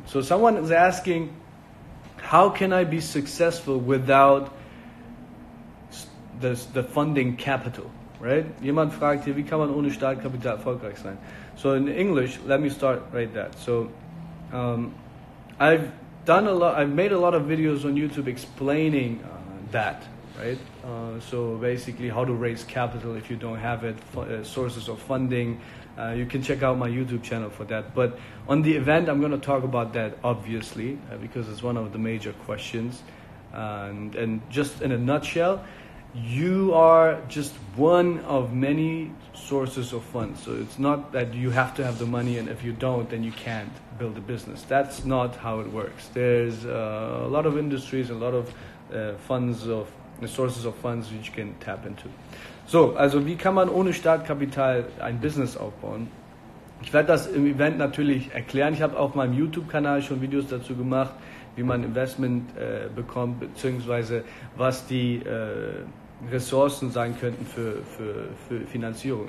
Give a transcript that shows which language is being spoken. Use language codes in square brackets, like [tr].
[en] So someone is asking, how can I be successful without the funding capital? Right? [de] Jemand fragt hier, wie kann man ohne Startkapital erfolgreich sein? [en] So in English, let me start right that. So I've made a lot of videos on YouTube explaining that, right? So basically how to raise capital if you don't have it, sources of funding. You can check out my YouTube channel for that. But on the event, I'm going to talk about that, obviously, because it's one of the major questions. And just in a nutshell, you are just one of many sources of funds. So it's not that you have to have the money and if you don't, then you can't build a business. That's not how it works. There's a lot of industries, a lot of sources of funds which you can tap into. [de] So, also wie kann man ohne Startkapital ein Business aufbauen? Ich werde das im Event natürlich erklären. Ich habe auf meinem YouTube-Kanal schon Videos dazu gemacht. wie man Investment bekommt, beziehungsweise was die Ressourcen sein könnten für Finanzierung.